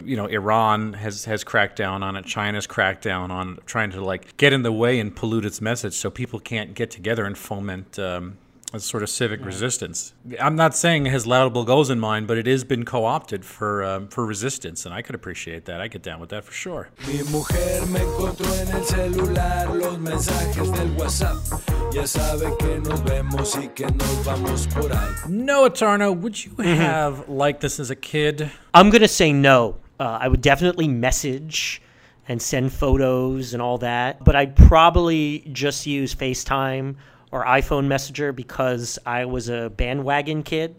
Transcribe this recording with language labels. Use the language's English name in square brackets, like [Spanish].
[English] You know, Iran has cracked down on it. China's cracked down on it, trying to like get in the way and pollute its message so people can't get together and foment a sort of civic resistance. I'm not saying it has laudable goals in mind, but it has been co-opted for resistance, and I could appreciate that. I get down with that for sure. [Spanish] Mi mujer me encontró en el celular los mensajes del WhatsApp. Ya sabe que nos vemos y que nos vamos por ahí. [English] Noah Tarno, would you have liked this as a kid? I'm going to say no. I would definitely message and send photos and all that, but I'd probably just use FaceTime or iPhone Messenger because I was a bandwagon kid.